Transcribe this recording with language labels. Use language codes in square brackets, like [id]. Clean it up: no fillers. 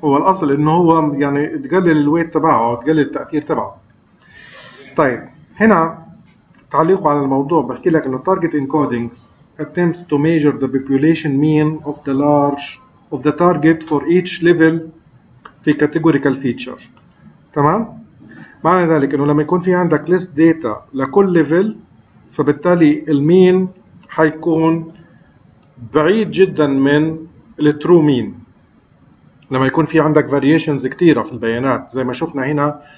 [ar] هو الاصل انه هو يعني تقلل الويت تبعه او تقلل التاثير تبعه. طيب هنا تعليق على الموضوع بحكي لك انه [en] target encoding attempts to measure the population mean of the large of the target for each level [ar] في categorical feature. تمام. معنى ذلك انه لما يكون في عندك list data لكل level فبالتالي المين حيكون بعيد جدا من الترو مين لما يكون في عندك فاريشنز كثيره في البيانات زي ما شفنا هنا.